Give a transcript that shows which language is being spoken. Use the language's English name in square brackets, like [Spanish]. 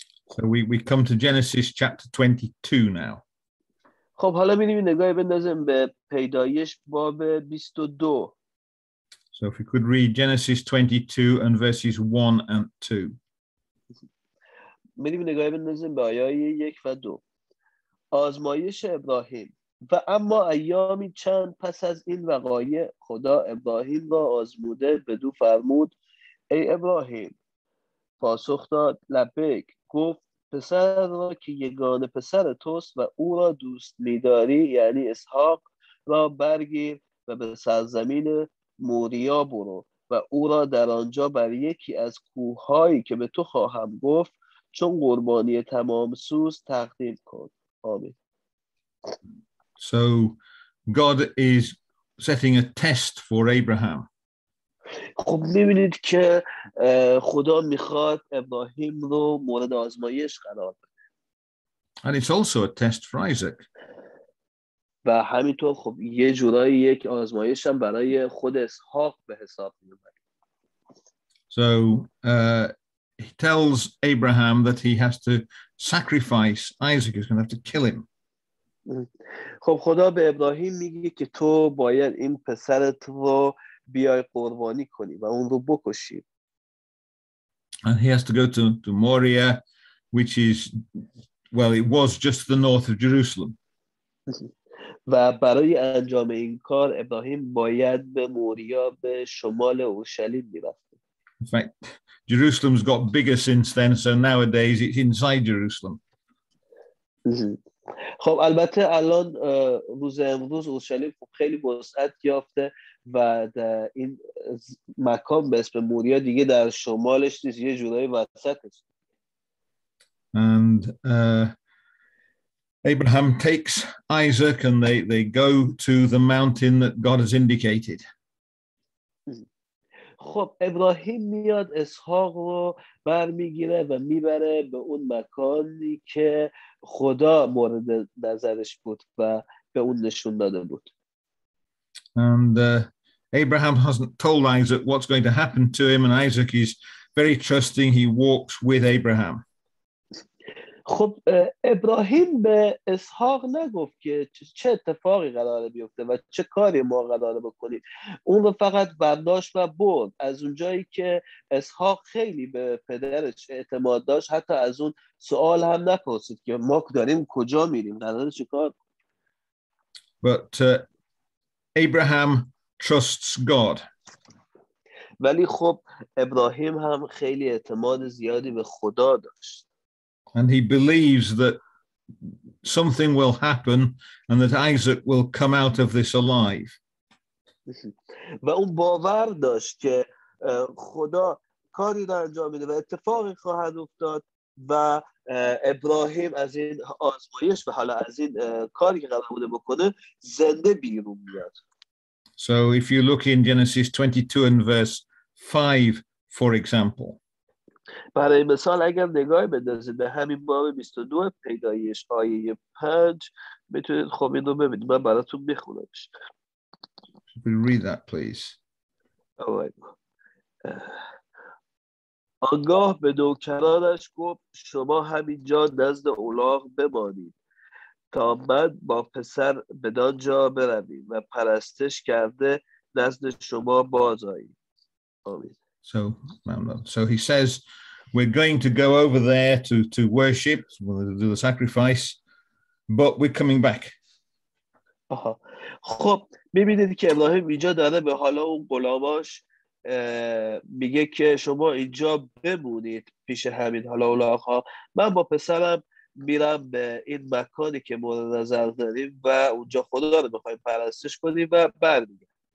[English] So we come to Genesis chapter 22 now. [Persian] خب حالا می‌بینیم نگاهی بندازیم به پیدایش باب 22. [English] So if we could read Genesis 22 and verses 1 and 2. [Persian] می‌بینیم نگاهی بندازیم به آیه 1 و 2. آزمایش ابراهیم. و اما ایامی چند پس از این وقایع، خدا ابراهیم را آزموده بدو فرمود ای ابراهیم. پاسخ داد لبیک. گفت پسر را که یگان پسر توست و او را دوست می‌داری، یعنی اسحاق را برگیر و به سرزمین موریا برو و او را در آنجا بر یکی از کوه‌هایی که به تو خواهم گفت چون قربانی تمام سوز تقدیم کن. آمین. [English] So God is setting a test for Abraham. [Persian] خب می‌بینید که خدا می‌خواد ابراهیم رو مورد آزمایش قرار بده. [English] And it's also a test for Isaac. [Persian] و همینطور خب یه جورایی یک آزمایش هم برای خود اسحاق به حساب می‌آید. [English] So he tells Abraham that he has to sacrifice Isaac. He's going to have to kill him. [Persian] خب خدا به ابراهیم میگه که تو باید این پسرت رو بیای قربانی کنی و اون رو بکشی. [English] And he has to go to Moria, which is, well, it was just the north of Jerusalem. [Persian] و برای انجام این کار ابراهیم باید به موریا، به شمال اورشلیم می‌رفت. [English] In fact, Jerusalem's got bigger since then, so nowadays it's inside Jerusalem. [Persian] خب البته الان روز امروز اورشلیم خیلی وسعت یافته و این مکان به اسم موریا دیگه در شمالش نیست، یه جورای وسطش. [English] And Abraham takes Isaac and they go to the mountain that God has indicated. [Persian] خب ابراهیم میاد اسحاق رو برمیگیره و میبره به اون مکانی که خدا مورد نظرش بود و به اون نشون داده بود. [English] And Abraham hasn't told Isaac what's going to happen to him, and Isaac is very trusting. He walks with Abraham. [Persian] خب ابراهیم به اسحاق نگفت که چه اتفاقی قراره بیفته و چه کاری ما قراره بکنیم. اون رو فقط برداشت و برد. از اونجایی که اسحاق خیلی به پدرش اعتماد داشت، حتی از اون سوال هم نپرسید که ما داریم کجا میریم، قراره چه کار. [English] Abraham trusts God. [Persian] ولی خب ابراهیم هم خیلی اعتماد زیادی به خدا داشت. [English] And he believes that something will happen and that Isaac will come out of this alive. [Persian] و اون باور داشت که خدا کاری را انجام میده و اتفاقی خواهد افتاد و ابراهیم از این آزمایش و حالا از این کاری که قرار بوده بکنه زنده بیرون میاد. [English] So if you look in Genesis 22 and verse 5, for example. [Persian] برای مثال اگر نگاه بندازید به همین باب 22 پیدایش آیه 5 میتونید خب این رو ببینید. من براتون میخونمش. [English] Could you read that, please? [Persian] آنگاه به نوکرانش گفت شما همینجا نزد اولاغ بمانید تا من با پسر بدانجا برویم و پرستش کرده نزد شما باز آییم. آمین. [English] So he says, we're going to go over there to worship, we're going to do the sacrifice, but we're coming back. [Persian] خب میبینید که ابراهیم اینجا داره به حالا اون غلاماش میگه که شما اینجا بمونید پیش همین حالا اولاغ‌ها. من با پسرم میرم به این مکانی که مورد نظر داریم و اونجا خدا رو بخواییم پرستش کنیم و برمیگه.